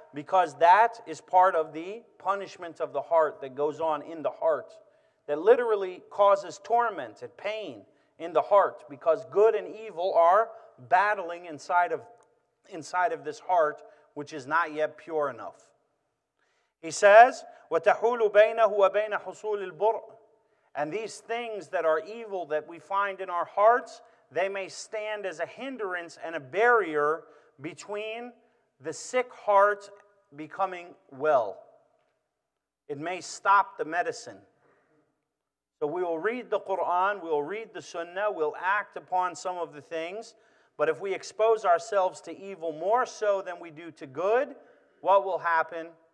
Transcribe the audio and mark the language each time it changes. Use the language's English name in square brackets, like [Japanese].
[English] Because that is part of the punishment of the heart that goes on in the heart that literally causes torment and pain in the heart because good and evil are battling inside of this heart, which is not yet pure enough. He says, [Arabic] وَتَحُولُ بَيْنَهُ وَبَيْنَ حُصُولِ الْبُرْءِ. [English] And these things that are evil that we find in our hearts, they may stand as a hindrance and a barrier between the sick heart becoming well. It may stop the medicine. So we will read the Quran, we will read the Sunnah, we'll act upon some of the things, but if we expose ourselves to evil more so than we do to good, what will happen?